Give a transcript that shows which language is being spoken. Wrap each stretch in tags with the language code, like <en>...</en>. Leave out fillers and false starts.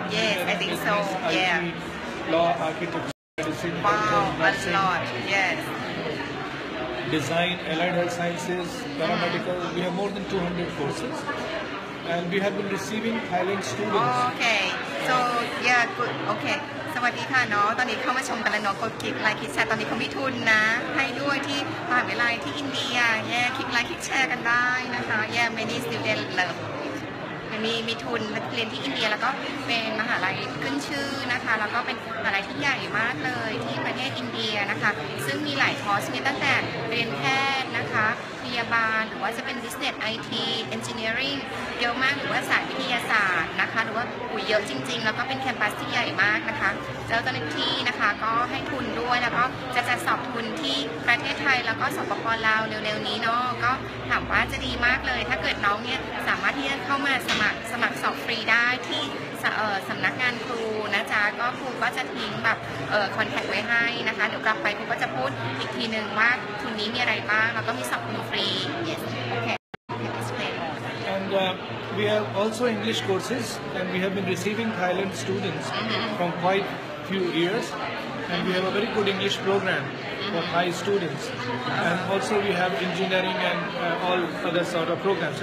<en>Yes, I think so. IT, yeah. Law, architecture, medicine. Wow, a lot. Yes. Design, allied health sciences, paramedical, we have more than 200 courses. And we have been receiving Thailand students. Oh, okay. So, yeah, good. Okay.</en> <th>สวัสดีค่ะ เนาะ ตอนนี้เข้ามาชมกันแล้วเนาะกดคลิกไลค์คลิกแชร์ ตอนนี้เขามีทุนนะ ให้ด้วยที่ มหาวิทยาลัยที่อินเดีย yeah, คลิกไลค์คลิกแชร์กันได้นะคะ</th> <en>yeah, many student love</en> <th>มีทุนเรียนที่อินเดีย แล้วก็เป็นมหาวิทยาลัยขึ้นชื่อนะคะ แล้วก็เป็นมหาวิทยาลัยที่ใหญ่มากเลย ที่ประเทศอินเดียนะคะ ซึ่งมีหลายคอร์สมีตั้งแต่เรียนแพทย์นะคะ พยาบาล หรือว่าจะเป็น business IT engineering เยอะมากหรือว่าสายวิทยาศาสตร์นะคะ หรือว่าเยอะจริงๆ แล้วก็เป็นแคมปัสที่ใหญ่มากนะคะ เจ้าหน้าที่นะคะก็ให้ทุนด้วย แล้วก็จะสอบทุนที่ประเทศไทย แล้วก็สปป.ลาวเร็วๆนี้เนาะ ก็ถามว่าจะดีมากเลย ถ้าเกิดน้องเนี่ย สามารถที่จะเข้ามาสมัครสอบฟรีได้ที่ สำนักงานครูนะจ๊ะ ก็ครูก็จะทิ้งแบบคอนแทคไว้ให้นะคะ เดี๋ยวกลับไปครูก็จะพูดอีกทีนึงว่าทุนนี้มีอะไรบ้าง แล้วก็มีสอบทุนฟรี</th> <en>Yes Okay And we have also English courses, and we have been receiving Thailand students from quite few years, and we have a very good English program for Thai students, and also we have engineering and all other sort of programs.</en>